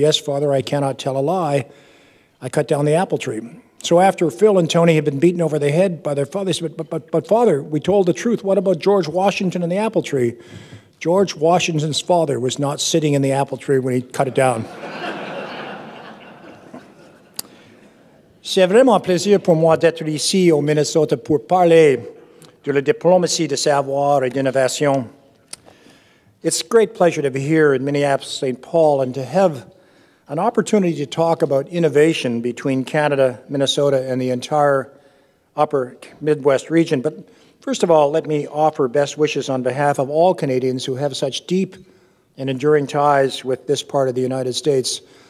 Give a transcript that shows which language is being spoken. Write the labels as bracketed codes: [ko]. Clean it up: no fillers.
[en] Yes, father, I cannot tell a lie. I cut down the apple tree. So after Phil and Tony had been beaten over the head by their father, they said, but father, we told the truth. What about George Washington and the apple tree? George Washington's father was not sitting in the apple tree when he cut it down. [fr] C'est vraiment un plaisir pour moi d'être ici au Minnesota pour parler de la diplomatie de savoir et d'innovation. [en] It's a great pleasure to be here in Minneapolis, St. Paul, and to have an opportunity to talk about innovation between Canada, Minnesota, and the entire upper Midwest region. But first of all, let me offer best wishes on behalf of all Canadians who have such deep and enduring ties with this part of the United States.